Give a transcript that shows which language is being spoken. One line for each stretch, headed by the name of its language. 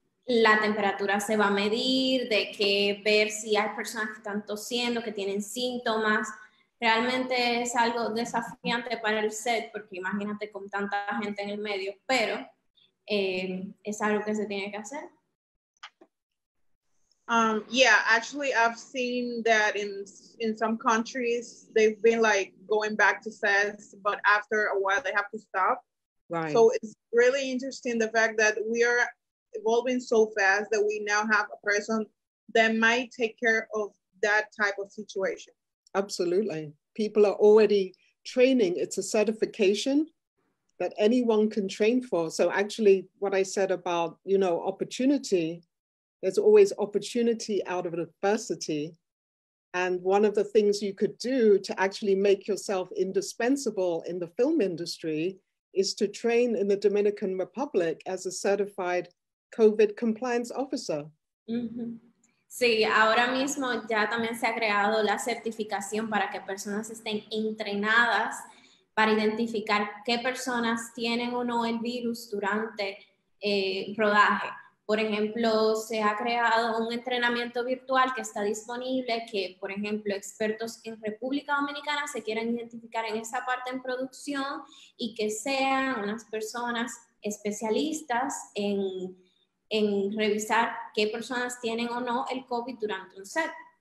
Spanish: La temperatura se va a medir, de que ver si hay personas que están tosiendo, que tienen síntomas. Realmente es algo desafiante para el set, porque imagínate con tanta gente en el medio, pero es algo que se tiene que hacer.
English: Yeah, actually, I've seen that in some countries, they've been like going back to sets, but after a while, they have to stop. Right. So it's really interesting the fact that we are evolving so fast that we now have a person that might take care of that type of situation. Absolutely. People are already training. It's a certification that anyone can train for. So actually, what I said about, you know, opportunity, there's always opportunity out of adversity. And one of the things you could do to actually make yourself indispensable in the film industry is to train in the Dominican Republic as a certified COVID compliance officer. Mm-hmm.
Spanish: Sí, ahora mismo ya también se ha creado la certificación para que personas estén entrenadas para identificar qué personas tienen o no el virus durante rodaje. Por ejemplo, se ha creado un entrenamiento virtual que está disponible, que, por ejemplo, expertos en República Dominicana se quieran identificar en esa parte en producción y que sean unas personas especialistas en revisar qué personas tienen o no el COVID durante un set.